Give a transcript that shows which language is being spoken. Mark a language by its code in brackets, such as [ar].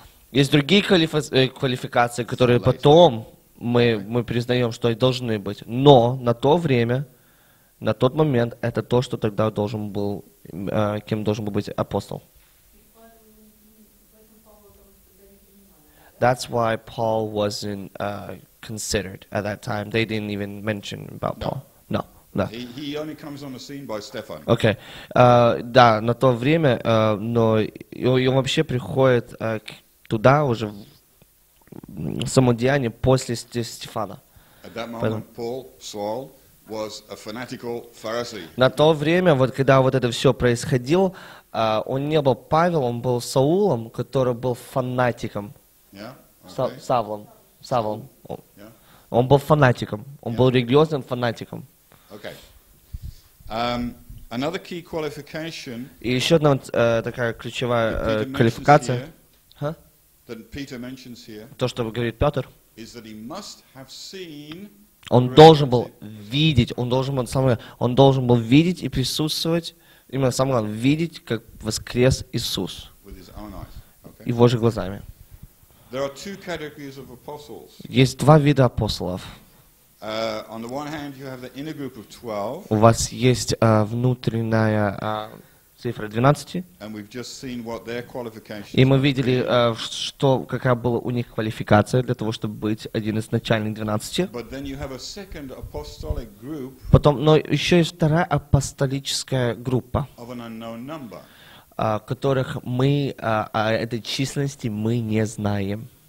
[ru] Есть другие квалификации, которые потом мы признаем, что и должны быть. Но на то время, на тот момент, это то, что тогда должен был, кем должен был быть апостол. [en] That's why Paul wasn't considered at that time. They didn't even mention about Paul. No. [ru] Да. [en] He only comes on the scene by Stefan. Okay. [ru] Да, на то время, но и он вообще приходит туда уже в самодеяние после Стефана. [en] At that moment, [ru] Поэтому... [en] Paul Saul was a fanatical Pharisee. [ru] На то время, вот когда вот это все происходило, он не был Павел, он был Саулом, который был фанатиком. Савлом. Савлом. Он был фанатиком. Он был религиозным фанатиком. [en] Okay. Another key qualification. [ru] И еще одна такая ключевая квалификация. [en] That Peter mentions here. [ru] То, что говорит Петр. [en] Is that he must have seen. [ru] Он должен был видеть. Он должен был видеть и присутствовать. Именно самое главное видеть, как воскрес Иисус. [en] With his own eyes. [ru] Okay. Его же глазами. [en] There are two categories of apostles. [ru] Есть два вида апостолов. [en] On the one hand, you have the inner group of 12. [ru] У вас есть внутренняя цифра 12. [en] And we've just seen what their qualifications. [ru] И мы видели, какая была у них квалификация для того, чтобы быть один из начальных 12. [en] But then you have a second apostolic group. [ru] Потом, но еще есть вторая апостолическая группа. [en] Of an unknown number. [ru] Которых мы, о этой численности мы не знаем.